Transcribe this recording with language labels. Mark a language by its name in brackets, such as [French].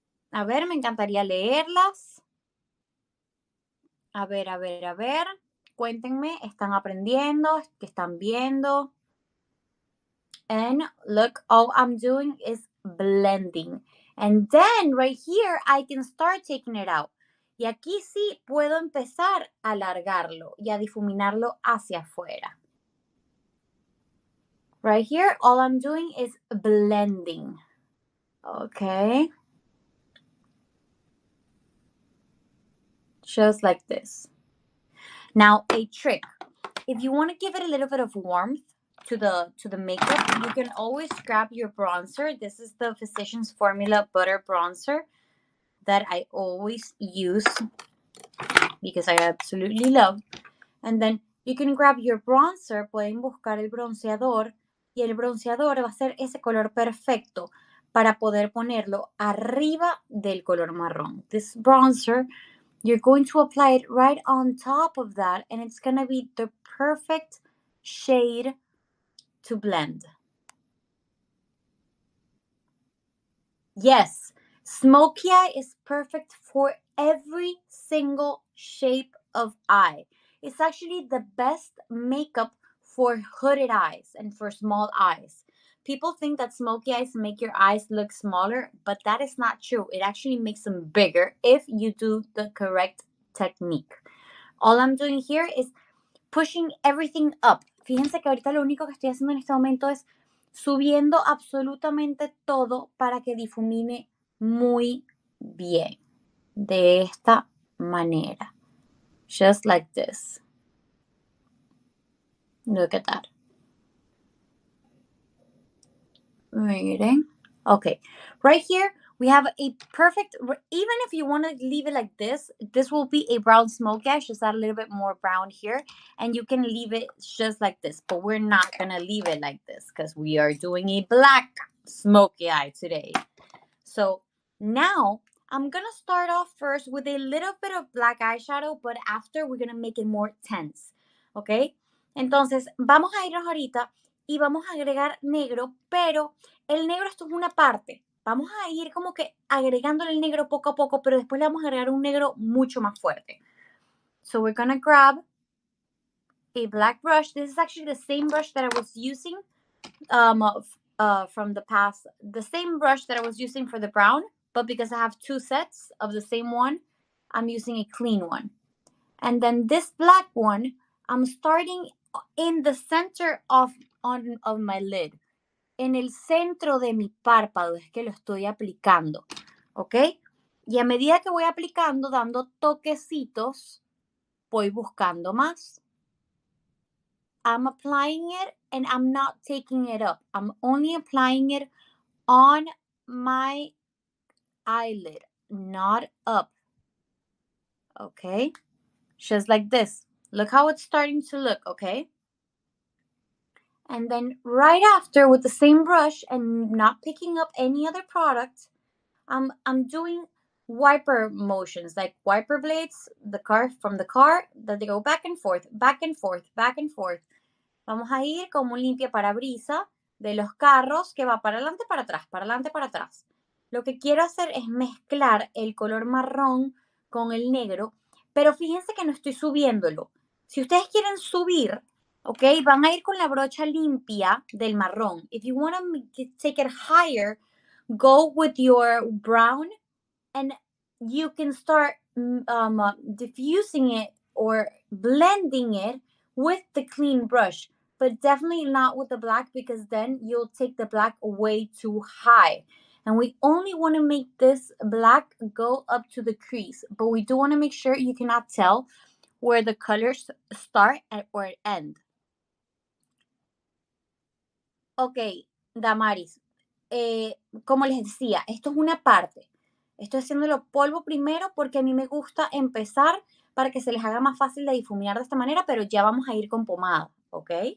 [Spanish] A ver, me encantaría leerlas. A ver. Cuéntenme, ¿están aprendiendo? ¿Qué están viendo? [English] And look, all I'm doing is blending. And then, right here, I can start taking it out. [Spanish] Y aquí sí puedo empezar a alargarlo y a difuminarlo hacia afuera. [English] Right here, all I'm doing is blending. Okay. Just like this. Now, a trick. If you want to give it a little bit of warmth, to the makeup. You can always grab your bronzer. This is the Physician's Formula Butter Bronzer that I always use because I absolutely love. And then you can grab your bronzer. [Spanish] Pueden buscar el bronceador. Y el bronceador va a ser ese color perfecto para poder ponerlo arriba del color marrón. [English] This bronzer, you're going to apply it right on top of that, and it's going to be the perfect shade to blend. Yes, smokey eye is perfect for every single shape of eye. It's actually the best makeup for hooded eyes and for small eyes. People think that smoky eyes make your eyes look smaller, but that is not true. It actually makes them bigger if you do the correct technique. All I'm doing here is pushing everything up. [Spanish] Fíjense que ahorita lo único que estoy haciendo en este momento es subiendo absolutamente todo para que difumine muy bien. De esta manera. [English] Just like this. Look at that. [Spanish] Miren. Okay. [English] Right here, we have a perfect, even if you want to leave it like this, this will be a brown smoky eye. Just add a little bit more brown here. And you can leave it just like this. But we're not going to leave it like this because we are doing a black smoky eye today. So now I'm going to start off first with a little bit of black eyeshadow. But after, we're going to make it more intense. Okay. [Spanish] Entonces, vamos a irnos ahorita y vamos a agregar negro, pero el negro esto es una parte. Vamos a ir como que agregándole el negro poco a poco, pero después le vamos a agregar un negro mucho más fuerte. [English] So we're gonna grab a black brush. This is actually the same brush that I was using from the past. The same brush that I was using for the brown, but because I have two sets of the same one, I'm using a clean one. And then this black one, I'm starting in the center of my lid. [Spanish] En el centro de mi párpado es que lo estoy aplicando. ¿Ok? Y a medida que voy aplicando, dando toquecitos, voy buscando más. [English] I'm applying it and I'm not taking it up. I'm only applying it on my eyelid, not up. ¿Ok? Just like this. Look how it's starting to look, okay? And then right after, with the same brush and not picking up any other product, I'm doing wiper motions, like wiper blades, the car from the car, that they go back and forth, back and forth, back and forth. [Spanish] Vamos a ir como un limpia parabrisa de los carros que va para adelante, para atrás, para adelante, para atrás. Lo que quiero hacer es mezclar el color marrón con el negro, pero fíjense que no estoy subiéndolo. Si ustedes quieren subir, okay, van a ir con la brocha limpia del marrón. [English] If you want to take it higher, go with your brown and you can start diffusing it or blending it with the clean brush. But definitely not with the black because then you'll take the black way too high. And we only want to make this black go up to the crease. But we do want to make sure you cannot tell where the colors start and where it end. [Spanish] Ok, Damaris, como les decía, esto es una parte. Estoy haciéndolo polvo primero porque a mí me gusta empezar para que se les haga más fácil de difuminar de esta manera, pero ya vamos a ir con pomada, ¿ok?